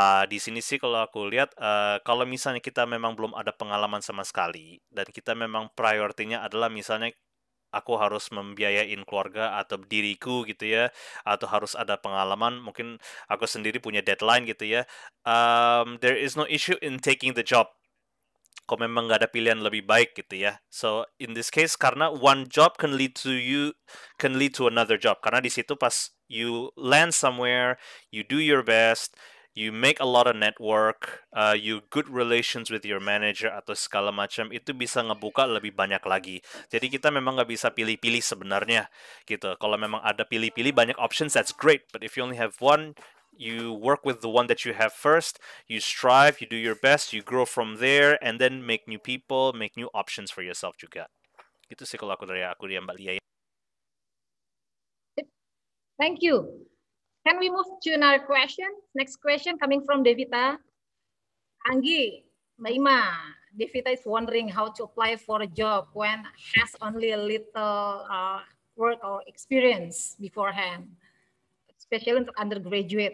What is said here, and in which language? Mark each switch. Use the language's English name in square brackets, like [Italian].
[Indonesian] Di sini sih kalau aku lihat kalau misalnya kita memang belum ada pengalaman sama sekali dan kita memang priority-nya adalah misalnya aku harus membiayain keluarga atau diriku gitu ya, atau harus ada pengalaman, mungkin aku sendiri punya deadline gitu ya, [English] there is no issue in taking the job. [Indonesian] Kau memang gak ada pilihan lebih baik gitu ya. [English] So in this case, karena one job can lead to you, can lead to another job. [Indonesian] Karena di situ pas [English] you land somewhere, you do your best, you make a lot of network, you good relations with your manager atau segala macam, [Indonesian] itu bisa ngebuka lebih banyak lagi. Jadi kita memang nggak bisa pilih-pilih sebenarnya, gitu. Kalau memang ada pilih-pilih banyak options, [English] that's great. But if you only have one, you work with the one that you have first, you strive, you do your best, you grow from there, and then make new people, make new options for yourself juga. [Indonesian] Itu sih kalau aku dari Mbak Lia. [English] Thank you. Can we move to another question? Next question coming from Devita. Anggi, Mbak Ima, Devita is wondering how to apply for a job when has only a little work or experience beforehand, especially untuk undergraduate.